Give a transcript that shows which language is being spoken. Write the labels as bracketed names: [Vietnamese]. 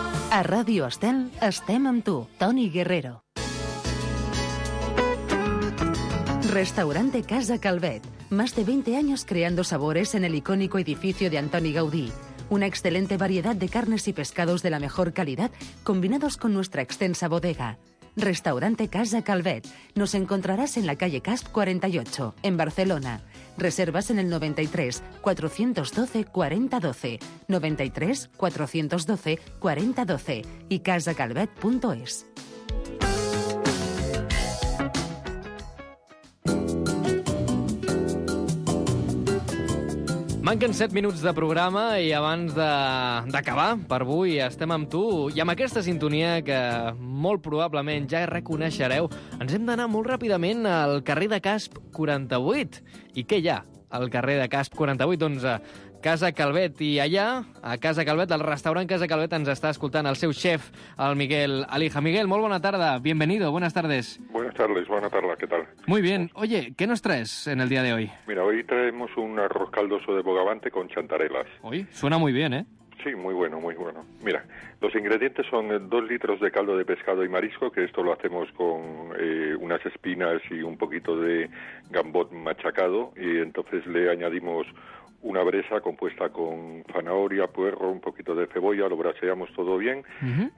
[Catalan] A Ràdio Estel, estem amb tu, Toni Guerrero. [Spanish] Restaurante Casa Calvet. Más de 20 años creando sabores en el icónico edificio de Antoni Gaudí. Una excelente variedad de carnes y pescados de la mejor calidad combinados con nuestra extensa bodega. Restaurante Casa Calvet. Nos encontrarás en la calle Casp 48, en Barcelona. Reservas en el 93-412-4012, 93-412-4012 y casacalvet.es. [Catalan] Manquen 7 minuts de programa i abans d'acabar, per avui, estem amb tu. I amb aquesta sintonia que molt probablement ja reconeixereu, ens hem d'anar molt ràpidament al carrer de Casp 48. I què hi ha al carrer de Casp 4811, Casa Calvet. I allà, a Casa Calvet, al restaurant Casa Calvet, ens està escoltant el seu chef, el Miguel Alija. Miguel, molt bona tarda. [Spanish] Bienvenido, buenas tardes. Buenas tardes, buena tarde, ¿qué tal? Muy bien. Oye, ¿qué nos traes en el día de hoy? Mira, hoy traemos un arroz caldoso de bogavante con chantarelas. Uy, suena muy bien, ¿eh? Sí, muy bueno, muy bueno. Mira, los ingredientes son 2 litros de caldo de pescado y marisco, que esto lo hacemos con unas espinas y un poquito de gambot machacado, y entonces le añadimos una bresa compuesta con zanahoria, puerro, un poquito de cebolla, lo braseamos todo bien. Uh-huh.